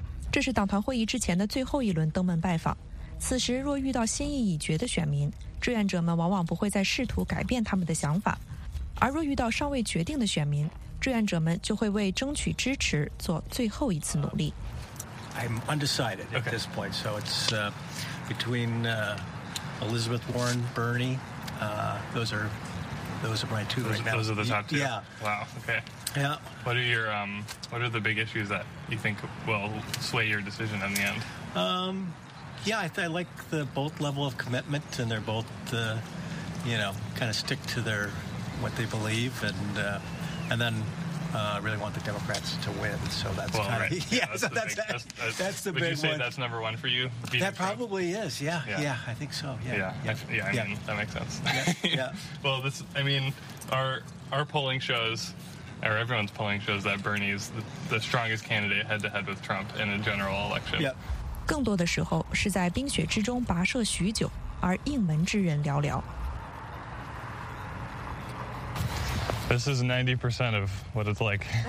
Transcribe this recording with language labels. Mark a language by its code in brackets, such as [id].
[zh] 这是党团会议之前的最后一轮登门拜访。此时若遇到心意已决的选民，志愿者们往往不会再试图改变他们的想法；而若遇到尚未决定的选民，志愿者们就会为争取支持做最后一次努力。 [en] I'm undecided at this point, so it's between. Elizabeth Warren, Bernie, those are my two right now. Those are the top two? Yeah. Wow, okay. Yeah. What are the big issues that you think will sway your decision in the end? I like the both level of commitment, and they're both, kind of stick to their, what they believe, and then really want the Democrats to win, so that's well, kind of... Right. That's the big one. Would you say that's number one for you? That probably is, yeah. I think so, yeah. That makes sense. Yeah. Well, our polling shows, or everyone's polling shows, that Bernie's the strongest candidate head-to-head with Trump in a general election. Yep. [zh] 更多的时候是在冰雪之中跋涉许久，而应门之人寥寥。 [en] This is 90% of what it's like.